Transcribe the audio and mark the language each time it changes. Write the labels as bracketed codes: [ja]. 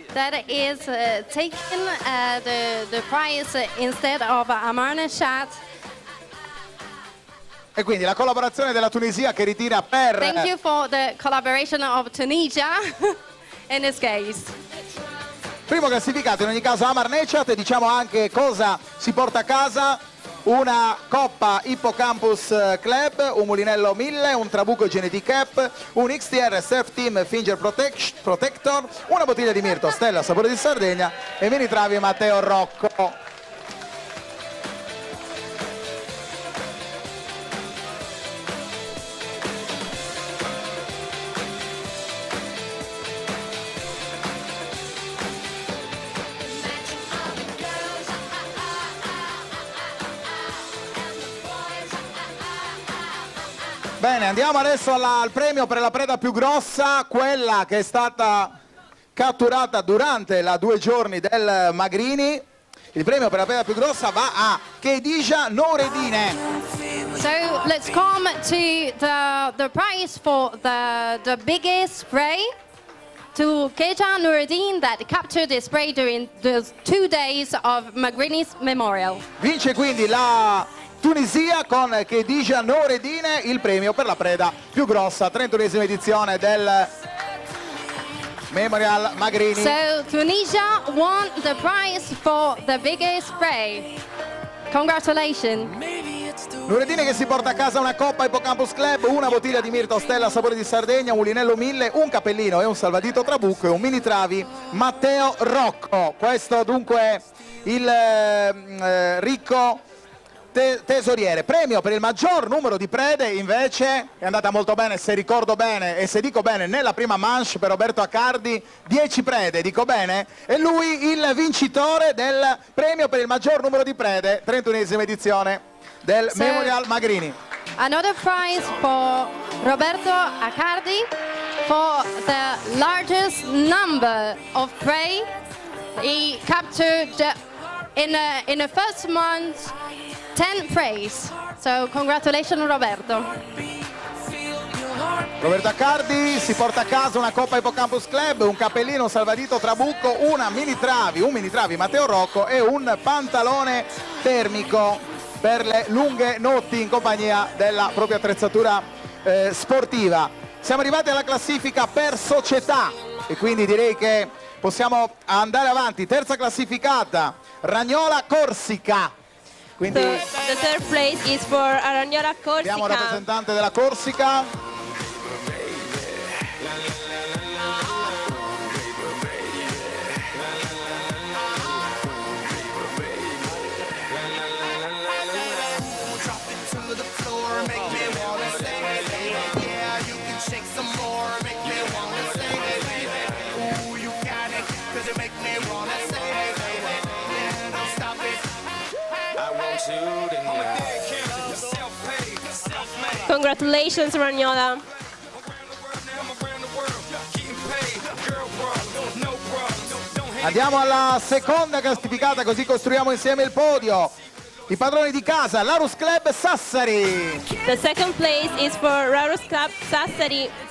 [en] that is taking the prize instead of Amar Nechat. [it] E quindi la collaborazione della Tunisia che ritira per... [en] Thank you for the collaboration of Tunisia in this case. [it] Primo classificato in ogni caso Amar Nechat, e diciamo anche cosa si porta a casa. Una Coppa Hippocampus Club, un mulinello 1000, un Trabucco Genetic Cap, un XTR Surf Team Finger Protector, una bottiglia di Mirto Stella Sapore di Sardegna e Mini Travi Matteo Rocco. Bene, andiamo adesso al premio per la preda più grossa, quella che è stata catturata durante la due giorni del Magrini. Il premio per la preda più grossa va a Khedija Noureddine. [en] So let's come to the prize for the biggest prey to Khedija Noureddine that captured this prey during the two days of Magrini's memorial. [it] Vince quindi la Tunisia con Khedija Noureddine, il premio per la preda più grossa, 31esima edizione del Memorial Magrini. [en] So Tunisia won the prize for the biggest prey. Congratulations. [it] Noureddine che si porta a casa una Coppa Hippocampus Club, una bottiglia di Mirto Stella Sapore di Sardegna, un mulinello 1000, un cappellino e un salvadito Trabucco e un Mini Travi Matteo Rocco. Questo dunque il ricco tesoriere. Premio per il maggior numero di prede invece è andata molto bene, se ricordo bene e se dico bene, nella prima manche per Roberto Accardi, 10 prede, dico bene? E lui il vincitore del premio per il maggior numero di prede, 31esima edizione del Memorial Magrini. [en] Another prize for Roberto Accardi for the largest number of prey he captured in the first month. 10 praise. So congratulations Roberto. [it] Roberto Accardi si porta a casa una Coppa Ippocampus Club, un cappellino, un salvadito trabucco, una mini travi, un mini travi Matteo Rocco e un pantalone termico per le lunghe notti in compagnia della propria attrezzatura sportiva. Siamo arrivati alla classifica per società e quindi direi che possiamo andare avanti. Terza classificata, Ragnola Corsica. Quindi [en] the third place is for Ragnola Corsica. [it] Abbiamo un rappresentante della Corsica. [en] Congratulations, Ragnola. [it] Andiamo alla seconda classificata, così costruiamo insieme il podio. I padroni di casa, Larus Club Sassari. [en] The second place is for Larus Club Sassari.